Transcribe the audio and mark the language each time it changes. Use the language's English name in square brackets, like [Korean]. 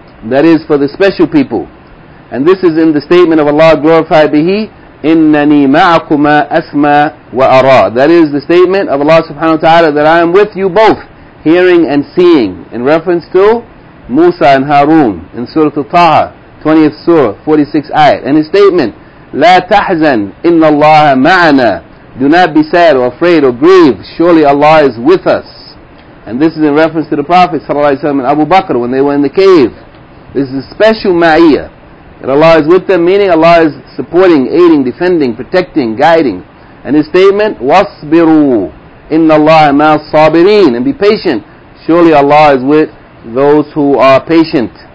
[English] That is for the special people. And this is in the statement of Allah, glorified be He, [Arabic] إِنَّنِي مَعَكُمَا أَسْمَى وَأَرَى. [English] That is the statement of Allah subhanahu wa ta'ala, that I am with you both, hearing and seeing, in reference to Musa and Harun, in Surah Al-Taha, 20th Surah, 46th Ayat. And His statement, [Arabic] لَا تَحْزَنْ إِنَّ اللَّهَ مَعَنَا. [English] Do not be sad or afraid or grieve, surely Allah is with us. And this is in reference to the Prophet sallallahu alaihi wasallam and Abu Bakr when they were in the cave. This is a special ma'iyah, that Allah is with them, meaning Allah is supporting, aiding, defending, protecting, guiding. And His statement, [Arabic] wasbiru inna Allah ma'a sabirin, [English] and be patient, surely Allah is with those who are patient.